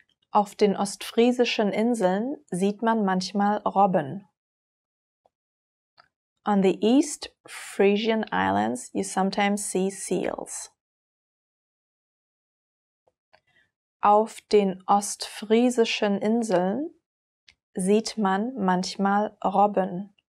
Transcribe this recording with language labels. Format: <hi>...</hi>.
<de>Auf den ostfriesischen Inseln sieht man manchmal Robben.</de> <en>On the East Frisian Islands, you sometimes see seals.</en> <de>Auf den ostfriesischen Inseln sieht man manchmal Robben.</de>